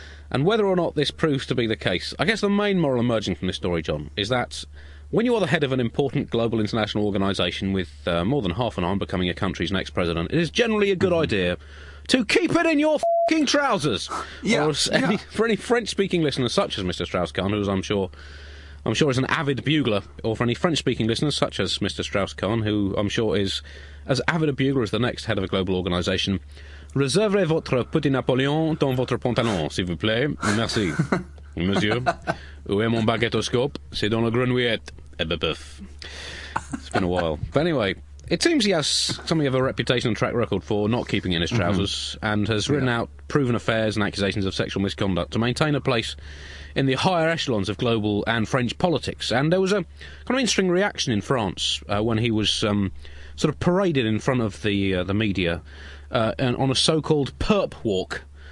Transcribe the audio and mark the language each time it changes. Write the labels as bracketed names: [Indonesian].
[English] And whether or not this proves to be the case, I guess the main moral emerging from this story, John, is that when you are the head of an important global international organisation with more than half an arm becoming a country's next president, it is generally a good idea to keep it in your f***ing trousers! Yeah, For any French-speaking listeners such as Mr. Strauss-Kahn, who I'm sure is an avid bugler, or for any French-speaking listeners such as Mr. Strauss-Kahn, who I'm sure is as avid a bugler as the next head of a global organisation, [French] réservez votre petit Napoléon dans votre pantalon, s'il vous plaît. Merci. Monsieur, où est mon baguettoscope? C'est dans le grenouillette. Et bah, bah. [English] It's been a while. But anyway, it seems he has something of a reputation and track record for not keeping in his trousers and has written out proven affairs and accusations of sexual misconduct to maintain a place in the higher echelons of global and French politics. And there was a kind of interesting reaction in France when he was sort of paraded in front of the media on a so-called perp walk,